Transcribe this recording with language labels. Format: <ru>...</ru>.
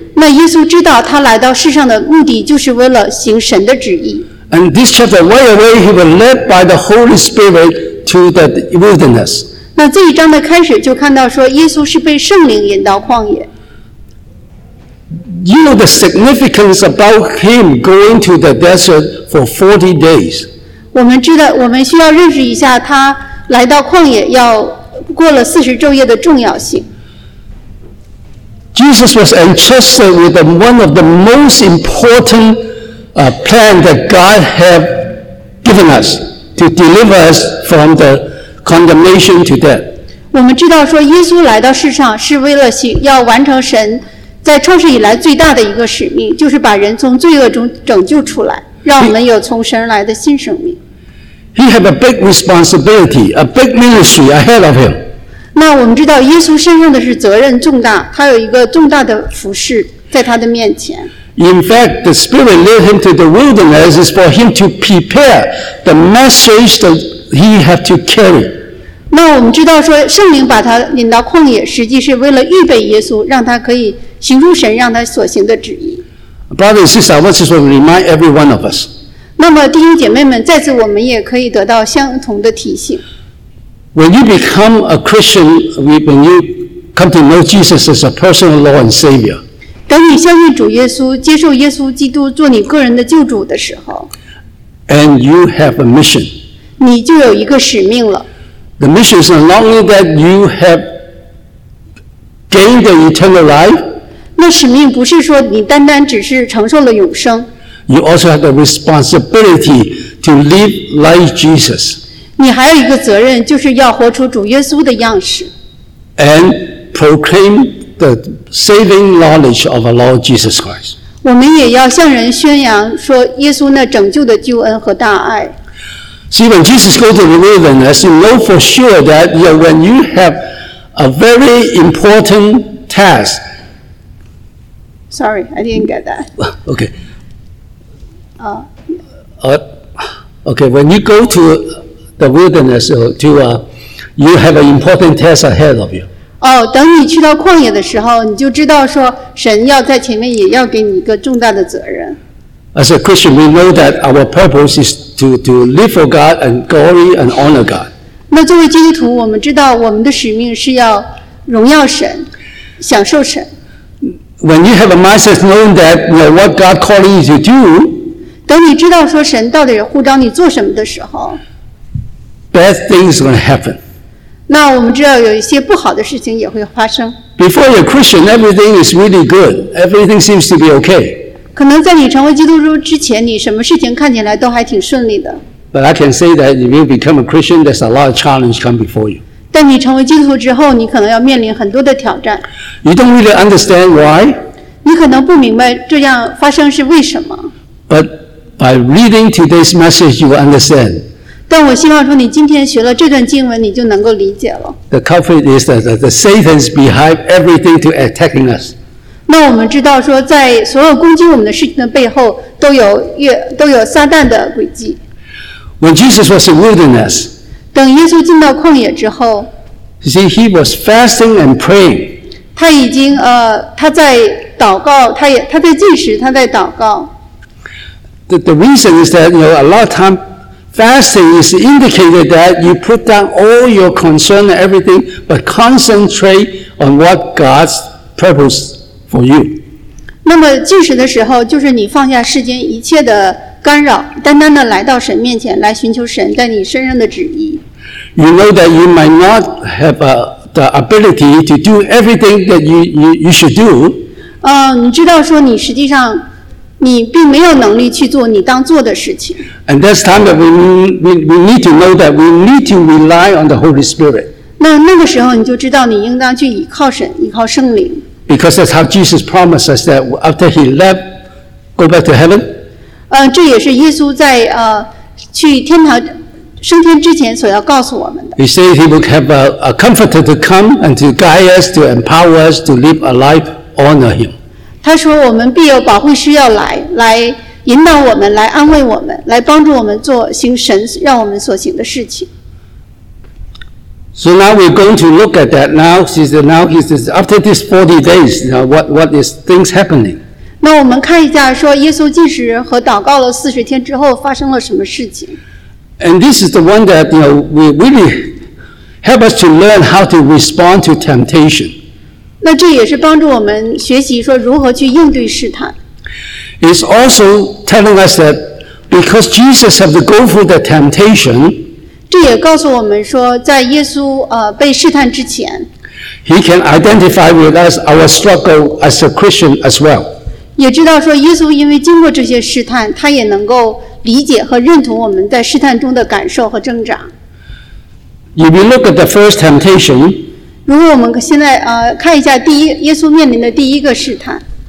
<zh>那耶稣知道他来到世上的目的就是为了行神的旨意。</zh> <en>And this chapter, right away, he was led by the Holy Spirit to the wilderness.</en> <zh>那这一章的开始就看到说，耶稣是被圣灵引到旷野。</zh> <en>You know the significance about him going to the desert for 40 days.</en> <zh>我们知道，我们需要认识一下他来到旷野要过了四十昼夜的重要性。</zh> <en>Jesus was entrusted with one of the most important plan that God had given us to deliver us from the condemnation to death.</en> <zh>我们知道说，耶稣来到世上是为了行要完成神。在创世以来最大的一个使命，就是把人从罪恶中拯救出来，让我们有从神来的新生命。</zh> <en>He had a big responsibility, a big ministry ahead of him.</en> <zh>那我们知道耶稣身上的是责任重大，他有一个重大的服事在他的面前。</zh> <en>In fact, the Spirit led him to the wilderness is for him to prepare the message that he had to carry.</en> <zh>那我们知道说圣灵把他引到旷野，实际是为了预备耶稣，让他可以行出神让他所行的旨意。</zh> <en>Brother and sister, I want to remind every one of us.</en> <zh>那么弟兄姐妹们，在此我们也可以得到相同的提醒。</zh> <en>When you become a Christian, when you come to know Jesus as a personal Lord and Savior,</en> <zh>等你相信主耶稣，接受耶稣基督做你个人的救主的时候，</zh> <en>and you have a mission.</en> <zh>你就有一个使命了。</zh> <en>The mission is not only that you have gained the eternal life,</en> <zh>那使命不是说你单单只是承受了永生。</zh> <en>You also have the responsibility to live like Jesus.</en> <zh>你还有一个责任，就是要活出主耶稣的样式。</zh> <en>And proclaim the saving knowledge of our Lord Jesus Christ.</en> <zh>我们也要向人宣扬说耶稣那拯救的救恩和大爱。</zh> <en>See, when Jesus goes to the wilderness, you know for sure that you know, when you have a very important task. Sorry, I didn't get that. Okay. When you go to the wilderness, you have an important test ahead of you.</en> <zh>等你去到旷野的时候，你就知道说神要在前面也要给你一个重大的责任。</zh> <en>As a Christian, we know that our purpose is to live for God and glory and honor God.</en> <zh>那作为基督徒，我们知道我们的使命是要荣耀神，享受神。</zh> <en>When you have a mindset knowing that you know, what God calling you to do,</en> <zh>等你知道说神到底呼召你做什么的时候，</zh> <en>bad things are going to happen.</en> <zh>那我们知道有一些不好的事情也会发生。</zh> <en>Before you're Christian, everything is really good. Everything seems to be okay.</en> <zh>可能在你成为基督徒之前，你什么事情看起来都还挺顺利的。</zh> <en>But I can say that if you become a Christian, there's a lot of challenge come before you.</en> <zh>但你成为基督徒之后，你可能要面临很多的挑战。</zh> <en>You don't really understand why.</en> <zh>你可能不明白这样发生是为什么。</zh> <en>But by reading today's message, you will understand.</en> <zh>但我希望说，你今天学了这段经文，你就能够理解了。</zh> <en>The culprit is the Satan's behind everything to attacking us.</en> <zh>那我们知道说，在所有攻击我们的事情的背后，都有撒旦的诡计。</zh> <en>When Jesus was in wilderness.</en> <zh>等耶稣进到旷野之后，</zh> <en>see, he was fasting and praying.</en> <zh>他已经他在祷告，他在进食，他在祷告。</zh> <en>The reason is that you know, a lot of time fasting is indicated that you put down all your concern and everything, but concentrate on what God's purpose for you.</en> <zh>那么进食的时候，就是你放下世间一切的干扰，单单的来到神面前，来寻求神在你身上的旨意。</zh> <en>You know that you might not have the ability to do everything that you should do.</en> <zh>你知道说你实际上你并没有能力去做你当做的事情。</zh> <en>And that's time that we need to know that we need to rely on the Holy Spirit.</en> <zh>那个时候你就知道你应当去依靠神，依靠圣灵。</zh> <en>Because that's how Jesus promised us that after he left, go back to heaven.</en> <zh>这也是耶稣在去天堂。升天之前所要告诉我们的。</zh> <en>He said he will have a comforter to come and to guide us, to empower us to live a life honor him.</en> <zh>他说我们必有保惠师要来，来引导我们，来安慰我们，来帮助我们做行神让我们所行的事情。</zh> <en>So now we're going to look at that. Now he says, after these 40 days, what is things happening?</en> <zh>那我们看一下，说耶稣进食和祷告了四十天之后发生了什么事情。</zh> <en>And this is the one that we really help us to learn how to respond to temptation.</en> <zh>那这也是帮助我们学习说如何去应对试探。</zh> <en>It's also telling us that because Jesus had to go through the temptation,</en> <zh>这也告诉我们说在耶稣被试探之前</zh> <en>He can identify with us our struggle as a Christian as well.</en> <zh>也知道说耶稣因为经过这些试探他也能够理解和认同我们在试探中的感受和挣扎。</zh> <en>If you look at the first temptation,</en> <zh>如果我们现在看一下第一耶稣面临的第一个试探。</zh>